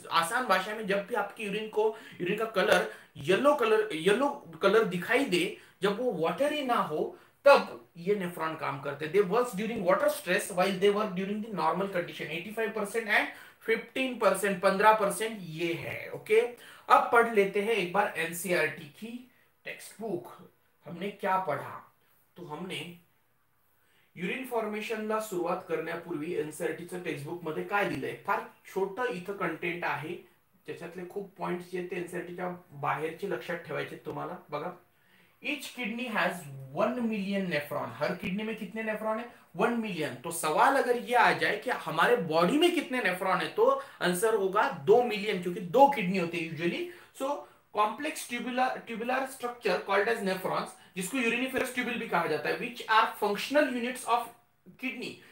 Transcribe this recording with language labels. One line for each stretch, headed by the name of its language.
Hindi: या आसान भाषा में, जब भी आपकी यूरिन का कलर येलो कलर दिखाई दे, जब वो वाटर ही ना हो, तब ये नेफ्रॉन काम करते हैं।
English: They work during water stress while they work during the normal condition.
Hindi: 85% and 15% 15% ये है। ओके, अब पढ़ लेते हैं एक बार एनसीईआरटी की टेक्स्ट बुक। हमने क्या पढ़ा?
Marathi: तो हमने यूरिन फॉर्मेशन ला सुरुवात करण्यापूर्वी एनसीईआरटीचं टेक्स्टबुक मध्ये काय दिलंय, फार छोटं इथं कंटेंट आहे, त्याच्यातले खूप पॉइंट्स जे आहेत एनसीईआरटीच्या बाहेरचे लक्षात ठेवायचे तुम्हाला।
English: बघा, each kidney has 1 million nephron.
Hindi: हर kidney में कितने नेफ्रॉन है? 1 मिलियन। तो सवाल अगर ये आ जाए कि हमारे बॉडी में कितने नेफ्रॉन है, तो आंसर होगा 2 मिलियन, क्योंकि दो किडनी होते हैं usually.
English: so complex tubular structure called as nephrons,
Hindi: जिसको यूरिनिफेरस ट्यूबल भी कहा जाता है,
English: Which are functional units of kidney.